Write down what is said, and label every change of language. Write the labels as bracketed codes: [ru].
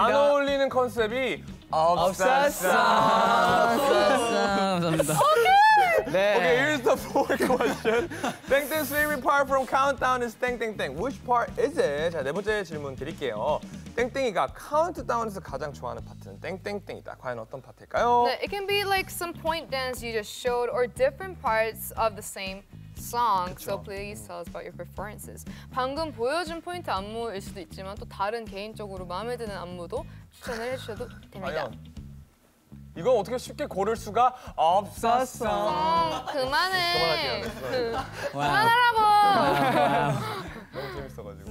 [ko] 안 어울리는 컨셉이 업사상 감사합니다. 네. [en] Okay, here's the fourth question. [ko] 땡땡 [en] swimming part from countdown is [ko] 땡땡땡. [en] Which part is it? [ko] 자, 네 번째 질문 드릴게요. 땡땡이가 countdown에서 가장 좋아하는 파트는 땡땡땡이다. 과연 어떤 파트일까요? [en] It can be like some point dance you just showed or different parts of the same song. [ko] 그쵸. [en] So please tell us about your performances. [ko] 방금 보여준 포인트 안무일 수도 있지만 또 다른 개인적으로 마음에 드는 안무도 추천을 해주셔도 됩니다. 이건 어떻게 쉽게 고를 수가 없었어. 그만해. 그만하라고. 너무 재밌어가지고.